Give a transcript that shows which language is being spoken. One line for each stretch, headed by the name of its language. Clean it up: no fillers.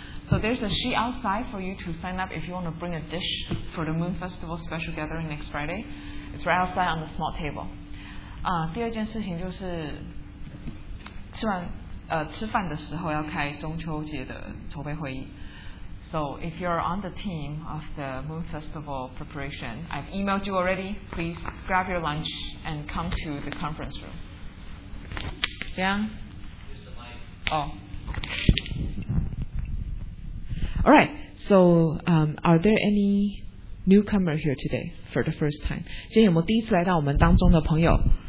English: So there's a sheet outside for you to sign up if you want to bring a dish for the Moon Festival special gathering next Friday. It's right outside on the small table.
Chinese: 第二件事情就是 吃饭的时候要开中秋节的筹备会议。
English: So if you're on the team of the Moon Festival preparation, I've emailed you already, please grab your lunch and come to the conference room. Jiang? Oh. Alright, so are there any newcomer here today for the first time?
Chinese: 今天有没有第一次来到我们当中的朋友?